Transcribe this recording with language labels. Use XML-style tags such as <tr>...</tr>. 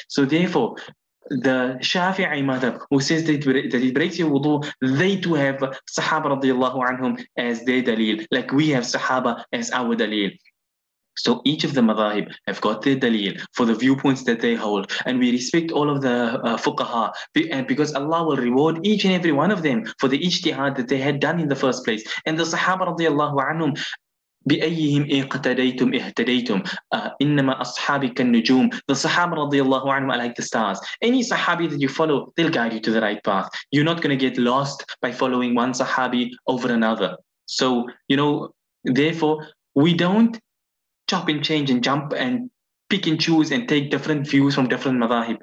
<en>So therefore, the Shafi'i madhab, who says that it breaks your wudu, they do have Sahaba radiallahu anhum as their dalil, like we have Sahaba as our dalil. So each of the madhahib have got their dalil for the viewpoints that they hold. And we respect all of the fuqaha because Allah will reward each and every one of them for the ijtihad that they had done in the first place. And the Sahaba radiallahu anhum,</en> <ar>بأيهم اقتديتم اهتديتم إنما أصحابك النجوم.</ar> <en>The Sahaba radiallahu anhum are like the stars. Any Sahabi that you follow, they'll guide you to the right path. You're not going to get lost by following one Sahabi over another. So, you know, therefore, we don't chop and change and jump and pick and choose and take different views from different madhahib.</en>